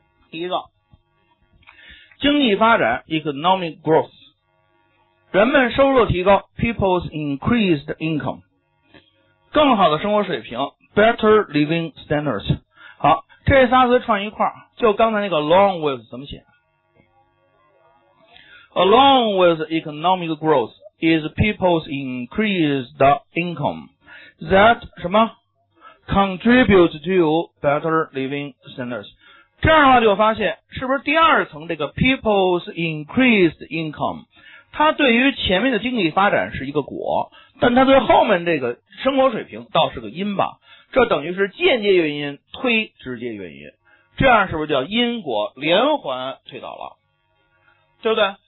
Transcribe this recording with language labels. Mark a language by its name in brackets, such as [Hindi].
[Chinese] 第一个，经济发展 [English] economic growth， [Chinese] 人们收入提高 [English] people's increased income， [Chinese] 更好的生活水平 [English] better living standards。 [Chinese] 好，这仨词串一块，就刚才那个 along with 怎么写？ [English] Along with economic growth is people's increased income that [Chinese] 什么 [English] contributes to better living standards。 [Chinese] 这样的话就发现是不是第二层这个 [English] people's increased income [Chinese] 它对于前面的经济发展是一个果，但它对后面这个生活水平倒是个因吧，这等于是间接原因推直接原因，这样是不是叫因果连环推导了，对不对？